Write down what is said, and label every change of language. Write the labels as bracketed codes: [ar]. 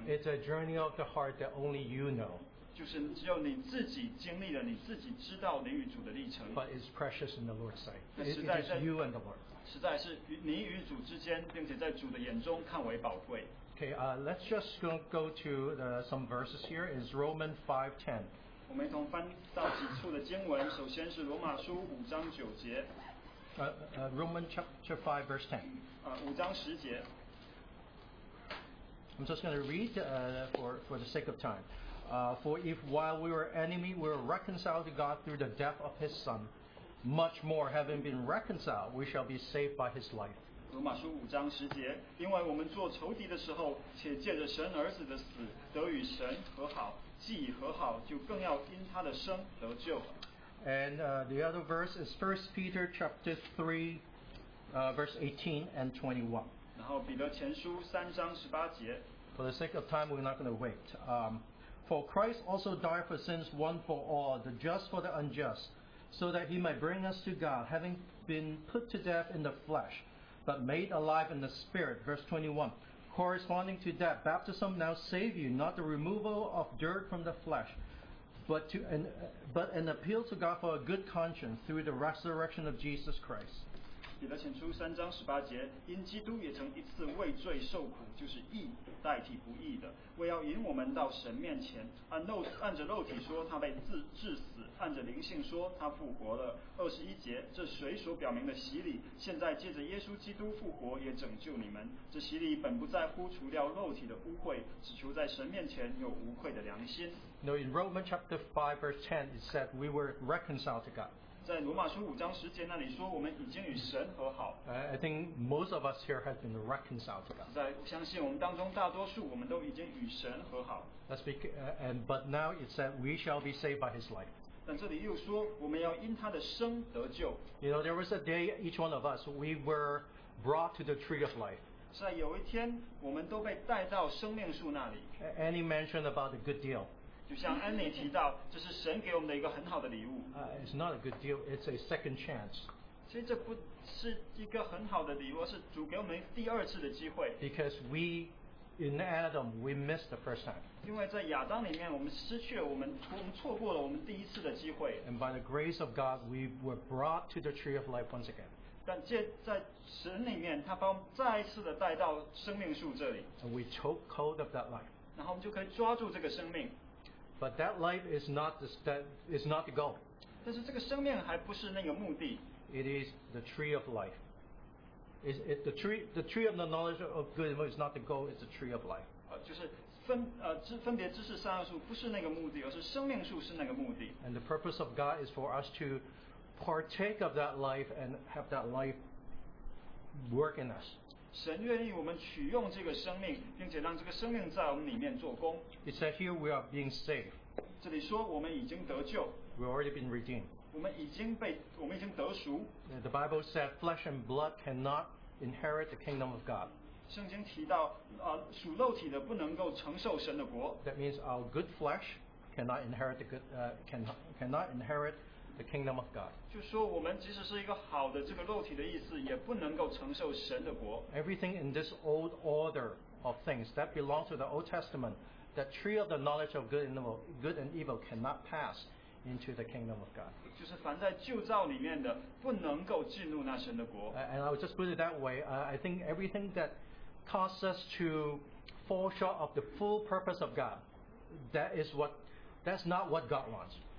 [en] It's a journey of the heart that only you know. [zh] 就是只有你自己经历了，你自己知道你与主的历程。 [en] But it's precious in the Lord's sight. It's you and the Lord. [zh] 实在是你与主之间，并且在主的眼中看为宝贵。 [en] Okay, let's just go to some verses here. It's Romans 5:10. [zh] 我们一同翻到几处的经文，首先是罗马书五章九节。 [en] Romans chapter 5 verse 10. [zh] 五章十节。 [en] I'm just going to read for the sake of time. For if while we were enemies, we were reconciled to God through the death of His Son, much more, having been reconciled, we shall be saved by His life. [zh] 罗马书五章十节，因为我们做仇敌的时候，且借着神儿子的死得与神和好，既已和好，就更要因他的生得救。 [en] And the other verse is 1 Peter chapter 3, verse 18 and 21. [zh] 然后彼得前书三章十八节。 [en] For the sake of time, we're not going to wait. For Christ also died for sins one for all, the just for the unjust, so that he might bring us to God, having been put to death in the flesh, but made alive in the spirit. Verse 21. Corresponding to that, baptism now save you, not the removal of dirt from the flesh, but an appeal to God for a good conscience through the resurrection of Jesus Christ. [zh] 彼得前书三章十八节，因基督也曾一次为罪受苦，就是义代替不义的，为要引我们到神面前。按着肉体说，他被治死；按着灵性说，他复活了。二十一节，这水所表明的洗礼，现在借着耶稣基督复活，也拯救你们。这洗礼本不在乎除掉肉体的污秽，只求在神面前有无愧的良心。 [en] Now in Romans chapter 5 verse 10, it said we were reconciled to God. [zh] 在罗马书五章十节那里说，我们已经与神和好。 [en] I think most of us here have been reconciled to God. [zh] 在我相信我们当中大多数，我们都已经与神和好。 [en] That's but now it said we shall be saved by His life. [zh] 但这里又说，我们要因他的生得救。 [en] You know, there was a day each one of us we were brought to the tree of life. [zh] 在有一天，我们都被带到生命树那里。 [en] Any mention about the good deal? [zh] 就像安妮提到，这是神给我们的一个很好的礼物。 [en] It's not a good deal. It's a second chance. [zh] 其实这不是一个很好的礼物，是主给我们第二次的机会。 [en] Because we, in Adam, we missed the first time. [zh] 因为在亚当里面，我们失去了我们错过了我们第一次的机会。 [en] And by the grace of God, we were brought to the tree of life once again. [zh] 但在神里面，他把我们再一次的带到生命树这里。 [en] And we took hold of that life. [zh] 然后我们就可以抓住这个生命。 [en] But that life is not the goal. [zh] 但是这个生命还不是那个目的。 [en] It is the tree of life. The tree of the knowledge of good and evil is not the goal. It's the tree of life. [zh] 就是分别知识善恶树不是那个目的，而是生命树是那个目的。 [en] And the purpose of God is for us to partake of that life and have that life work in us. [zh] 神愿意我们取用这个生命，并且让这个生命在我们里面做工。 [en] It says here we are being saved. [zh] 这里说我们已经得救。 [en] We've already been redeemed. [zh] 我们已经得赎。 [en] The Bible said flesh and blood cannot inherit the kingdom of God. [zh] 圣经提到，属肉体的不能够承受神的国。 [en] That means our good flesh cannot inherit the kingdom of God. [zh] 就说我们即使是一个好的这个肉体的意思，也不能够承受神的国。 [en] Everything in this old order of things that belongs to the Old Testament, that tree of the knowledge of good and evil cannot pass into the kingdom of God. [zh] 就是凡在旧造里面的，不能够进入那神的国。 [en] And I would just put it that way. I think everything that causes us to fall short of the full purpose of God, that's not what God wants.